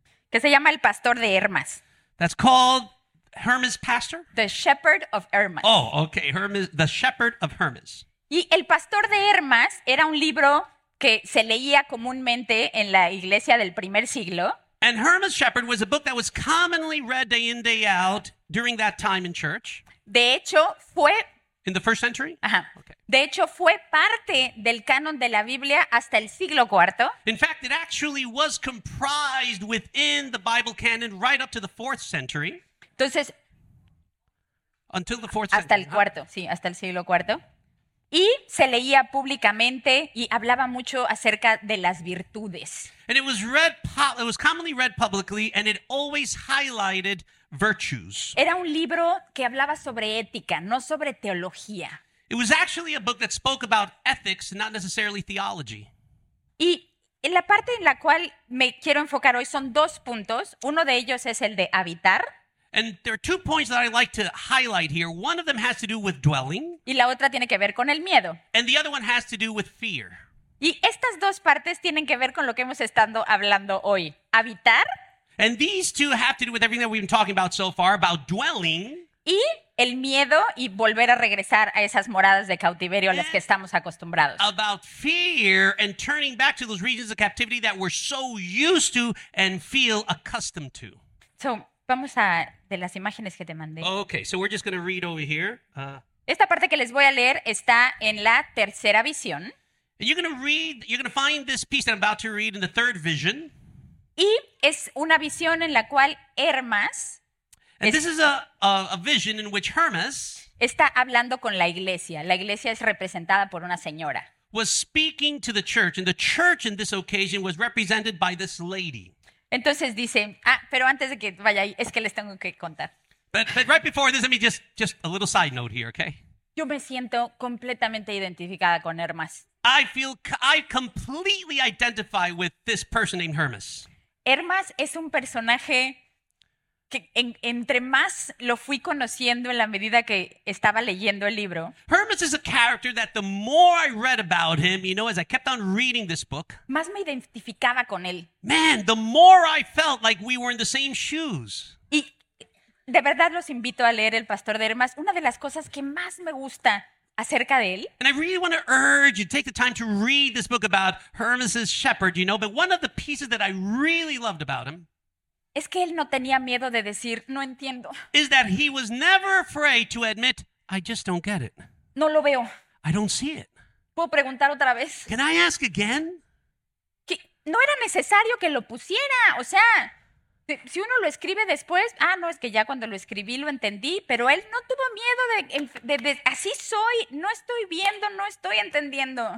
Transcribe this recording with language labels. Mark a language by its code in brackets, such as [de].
[es] Que se llama El Pastor de Hermas. [en] That's called Hermas Pastor? The Shepherd of Hermas. Oh, okay. Hermas, The Shepherd of Hermas. [es] Y El Pastor de Hermas era un libro que se leía comúnmente en la iglesia del primer siglo. [en] And Hermas Shepherd was a book that was commonly read day in, day out during that time in church. [es] De hecho, fue... [en] In the first century? Ajá. Okay. [es] De hecho, fue parte del canon de la Biblia hasta el siglo IV. [en] In fact, it actually was comprised within the Bible canon right up to the fourth century. [es] Entonces... [en] Until the fourth century. [es] Hasta el cuarto, sí, hasta el siglo IV. Y se leía públicamente y hablaba mucho acerca de las virtudes. [en] And it was commonly read publicly and it always highlighted virtues. [es] Era un libro que hablaba sobre ética, no sobre teología. [en] It was actually a book that spoke about ethics, not necessarily theology. [es] Y en la parte en la cual me quiero enfocar hoy son dos puntos. Uno de ellos es el de habitar. [en] And there are two points that I like to highlight here. One of them has to do with dwelling. [es] Y la otra tiene que ver con el miedo. [en] And the other one has to do with fear. [es] Y estas dos partes tienen que ver con lo que hemos estado hablando hoy. Habitar. [en] And these two have to do with everything that we've been talking about so far, about dwelling. [es] Y el miedo y volver a regresar a esas moradas de cautiverio a las que estamos acostumbrados. [en] About fear and turning back to those regions of captivity that we're so used to and feel accustomed to. [es] So, vamos a de las imágenes que te mandé. [en] Okay, so we're just going to read over here. [es] Esta parte que les voy a leer está en la tercera visión. [en] And you're going to find this piece that I'm about to read in the third vision. [es] Y es una visión en la cual Hermas... [en] And this is a vision in which Hermas... [es] Está hablando con la iglesia. La iglesia es representada por una señora. [en] Was speaking to the church. And the church in this occasion was represented by this lady. [es] Entonces dice... Ah, pero antes de que vaya ahí, es que les tengo que contar. [en] But right before this, let me just a little side note here, okay? [es] Yo me siento completamente identificada con Hermas. [en] I completely identify with this person named Hermas. [es] Hermas es un personaje que entre más lo fui conociendo en la medida que estaba leyendo el libro. [en] Hermes is a character that the more I read about him, you know, as I kept on reading this book, [es] más me identificaba con él. [en] Man, the more I felt like we were in the same shoes. [es] Y de verdad los invito a leer El Pastor de Hermas. Una de las cosas que más me gusta acerca de él. [en] And I really want to urge you to take the time to read this book about Hermas's shepherd, you know, but one of the pieces that I really loved about him [es] es que él no tenía miedo de decir, no entiendo. [en] Is that he was never afraid to admit, I just don't get it. [es] No lo veo. [en] I don't see it. [es] ¿Puedo preguntar otra vez? [en] Can I ask again? [es] ¿Qué? No era necesario que lo pusiera. O sea, si uno lo escribe después, ah, no, es que ya cuando lo escribí lo entendí, pero él no tuvo miedo de así soy, no estoy viendo, no estoy entendiendo.